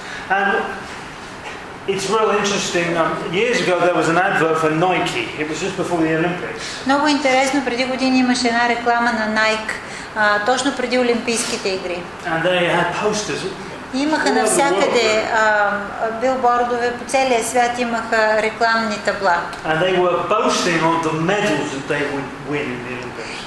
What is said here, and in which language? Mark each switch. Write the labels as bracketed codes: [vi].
[en] And it's real interesting. Years ago there was an advert for Nike. It was just before the Olympics. [bg] Много интересно, преди години имаше една реклама на Nike, точно преди Олимпийските игри. [en] And they had posters. [bg] Имаха навсякъде билбордове по целия свят, имаха рекламни табла. [en] And they were boasting of the medals that they would win in the Olympics.